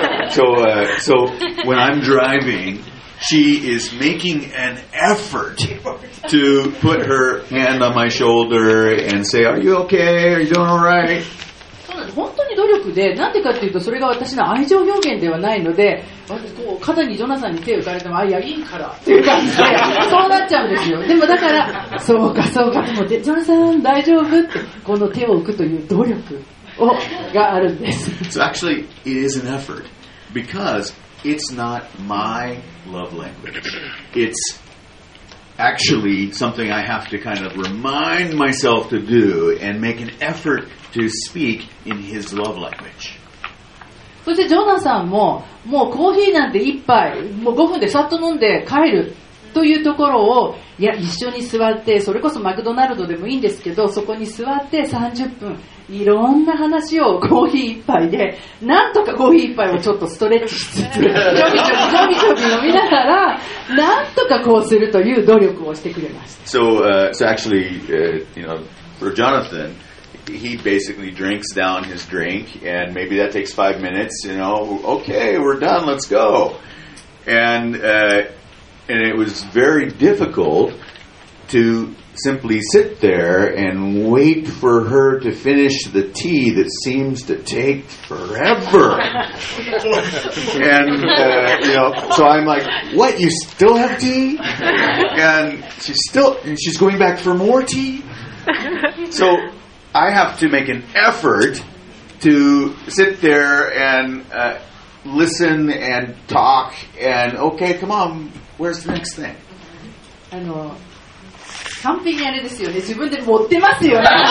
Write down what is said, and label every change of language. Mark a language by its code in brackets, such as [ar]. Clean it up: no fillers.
[en] So when I'm driving, she is making an effort to put her hand on my shoulder and say, Are you okay? Are you doing all right? [ja] 本当に努力で、なんでかっていうとそれが私の愛情表現ではないので、こう肩にジョナサンに手を打たれても、あ、いや、いいからっていう感じでそうなっちゃうんですよ。でもだからそうかそうかと思って、ジョナサン大丈夫ってこの手を置くという努力をがあるんです。 [en] So actually it is an effort because it's not my love language. It's actually something I have to kind of remind myself to do and make an effort to speak in his love language. [ja] そしてジョナサンももうコーヒーなんて一杯もう5分でさっと飲んで帰るというところを、いや、一緒に座って、それこそマクドナルドでもいいんですけど、そこに座って30分いろんな話をコーヒー一杯で、なんとかコーヒー一杯をちょっとストレッチしつつちょびちょびちょびちょび飲みながら、なんとかこうするという努力をしてくれました。 [en] So actually you know, for JonathanHe basically drinks down his drink, and maybe that takes 5 minutes. You know, okay, we're done. Let's go. And it was very difficult to simply sit there and wait for her to finish the tea that seems to take forever. And you know, so I'm like, "What? You still have tea?" And she's going back for more tea. So. I have to make an effort to sit there and listen and talk and okay, come on, where's the next thing? [ja] あの、完璧にあれですよね。自分で持ってますよね。